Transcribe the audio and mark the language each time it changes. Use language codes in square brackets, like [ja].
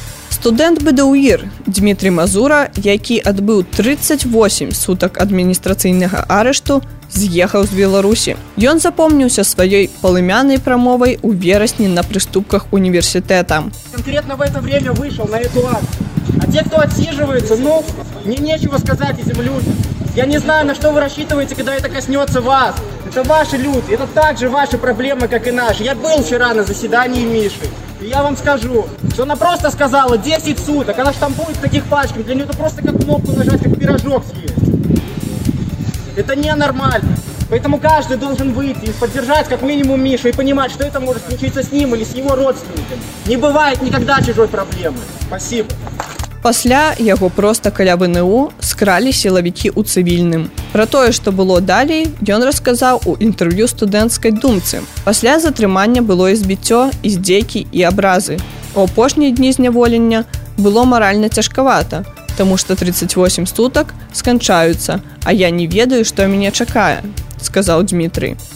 [be] Студэнт БДУІР Дмітрий Мазура, які адбыў 38 сутак адміністрацыйнага арышту, з'ехаў з Беларусі. Ён запомніўся сваёй палымянай прамовай у верасні на прыступках універсітэта. [ru] Конкретно в это время вышел на эту ад. А те, кто отсиживаются, ну, мне нечего сказать этим людям. Я не знаю, на что вы рассчитываете, когда это коснется вас. Это ваши люди, это также ваши проблемы, как и наши. Я был вчера на заседании Миши. И я вам скажу, что она просто сказала 10 суток, она штампует таких пачками, для нее это просто как кнопку нажать, как пирожок съесть. Это ненормально. Поэтому каждый должен выйти и поддержать как минимум Мишу и понимать, что это может случиться с ним или с его родственниками. Не бывает никогда чужой проблемы. Спасибо. [be] Пасля яго проста каля ВНУ скралі сілавікі ў цывільным. Пра тое, што было далей, ён расказаў у інтэрв'ю студэнцкай думцы. Пасля затрымання было і збіццё, і здзекі, і абразы. У апошнія дні зняволення было маральна цяжкавата, таму што 38 сутак сканчаюцца, а я не ведаю, што мяне чакае, сказаў Дмітрый.